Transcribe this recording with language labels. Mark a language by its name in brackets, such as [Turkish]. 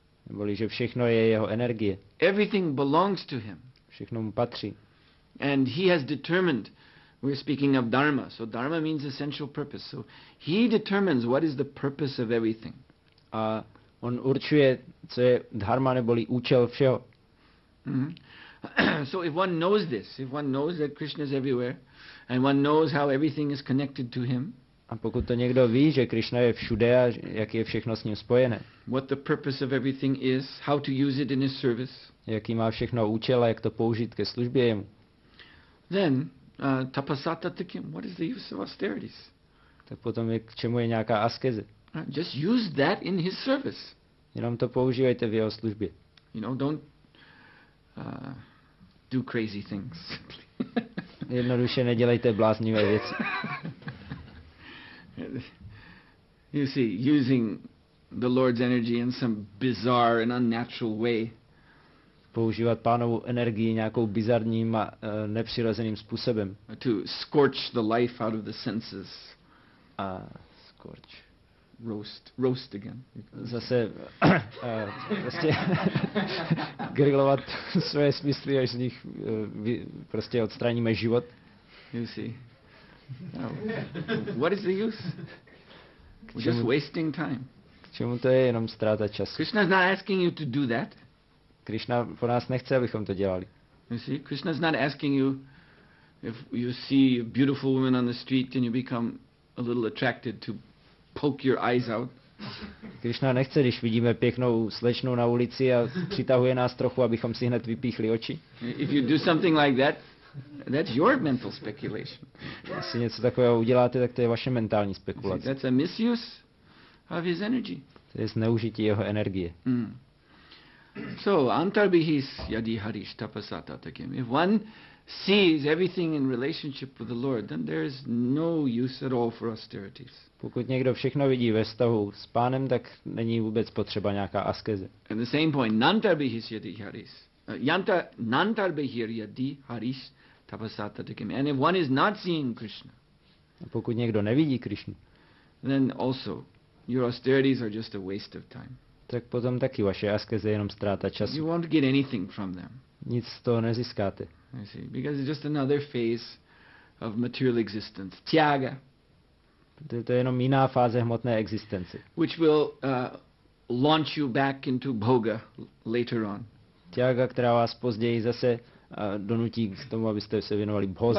[Czech] Neboli, že všechno je jeho energie. [English] Everything belongs to him. [Czech] Všechno mu patří. [English] And he has determined. We're speaking of dharma, so dharma means essential purpose. So he determines what is the purpose of everything. [Czech] A on určuje, co je dharma neboli účel všeho. [English] So if one knows this, if one knows that Krishna is everywhere, and one knows how everything is connected to him. [Czech] A pokud to někdo ví, že Krishna je všude a jak je všechno s ním spojené. [English] What the purpose of everything is, how to use it in his service. [Czech] Jaký má všechno účel a jak to použít ke službě jemu. [English] Then [Sanskrit] tapasata takim, [English] what is the use of austerities? [Czech] Tak potom je, k čemu je nějaká askeze? [English] Just use that in his service. [Czech] Jenom to používejte v jeho službě. [English] You know, don't do crazy things. [Czech] Jednoduše nedělejte bláznivé věci. [English] You see, using the Lord's energy in some bizarre and unnatural way. [Czech] Používat pánovu energii nějakou bizarním a nepřirozeným způsobem. [English] To scorch the life out of the senses. A scorch. Roast again. [Czech] Zase prostě grilovat svoje smysly, až z nich prostě odstraníme život. [English] You see. No. What is the use? Just wasting time. [Czech] K čemu to je, jenom ztráta času? [English] Krishna is not asking you to do that. [Czech] Krishna po nás nechce, abychom to dělali. [English] You see, Krishna's not asking you if you see a beautiful woman on the street and you become a little attracted to poke your eyes out. [Czech] Krishna nechce, když vidíme pěknou slečnou na ulici a přitahuje nás trochu, abychom si hned vypíchli oči. [English] If you do something like that, that's your mental speculation. [Czech] Jestli něco takového uděláte, tak to je vaše mentální spekulace. [English] That's a misuse of his energy. [Czech] To je zneužití jeho energie. [Sanskrit] Mm. So, antarbihis yadi harish tapasata takim. [English] If one sees everything in relationship with the Lord, then there is no use at all for austerities. [Czech] Pokud někdo všechno vidí ve vztahu s pánem, tak není vůbec potřeba nějaká askeze. [English] At the same point, [Sanskrit] nantarbihis yadi harish. Nantarbihir yadi harish tapasata takim. [English] And if one is not seeing Krishna, [Czech] a pokud někdo nevidí Krishnu, [English] then also your austerities are just a waste of time. [Czech] Tak potom taky vaše askeze jenom ztráta času. [English] You won't get anything from them. [Czech] Nic z toho nezískáte. [English] You see, because it's just another phase of material existence. [Sanskrit] Tiaga. [Czech] To je jenom jiná fáze hmotné existence. [English] Which will launch you back into bhoga later on. [Czech] Tiaga, která vás později zase donutí k tomu, abyste se věnovali bhoze.